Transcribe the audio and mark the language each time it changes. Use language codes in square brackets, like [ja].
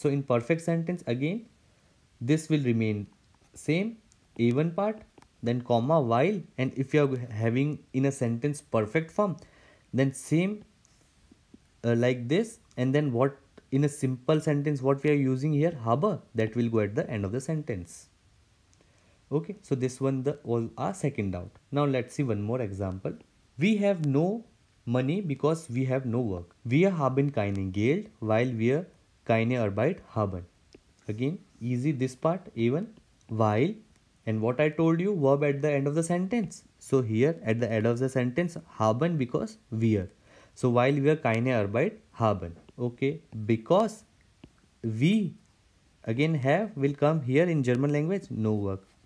[en] So, in perfect sentence, again, this will remain same, even part, then comma, while, and if you are having in a sentence perfect form, then same like this, and then what in a simple sentence, what we are using here, habe, that will go at the end of the sentence. Okay, so this one was our second doubt. Now, let's see one more example. We have no money because we have no work. [de] Wir haben keine Geld, weil wir keine Arbeit haben. [en] Again, easy this part, even, while, and what I told you, verb at the end of the sentence. So, here at the end of the sentence, haben because wir. So, [de] weil wir keine Arbeit haben. [en] Okay, because we, again, have will come here in German language, no work.